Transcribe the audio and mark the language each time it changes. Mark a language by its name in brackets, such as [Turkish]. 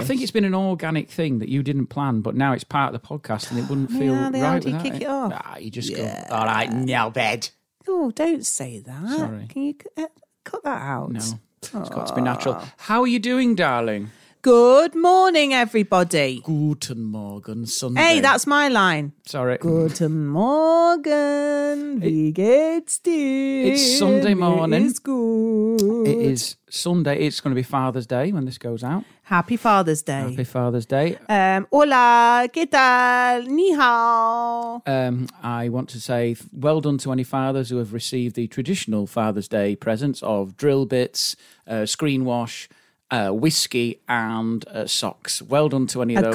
[English] I think it's been an organic thing that you didn't plan, but now it's part of the podcast and it wouldn't feel right without it. Yeah, kick it off. You just go, all right, now bed. Oh, don't say that. Sorry. Can you cut that out? No. It's got to be natural. How are you doing, darling? Good morning, everybody. [German] Guten Morgen, Sunday. [English] Hey, that's my line. Sorry. [German] Guten Morgen, wie geht's dir? [English] It's Sunday morning. It's good. It is Sunday. It's going to be Father's Day when this goes out. Happy Father's Day. Happy Father's Day. [Spanish] Hola, ¿qué tal? [Chinese] Ni hao. [English] I want to say well done to any fathers who have received the traditional Father's Day presents of drill bits, screen wash, whiskey and socks. Well done to any of those.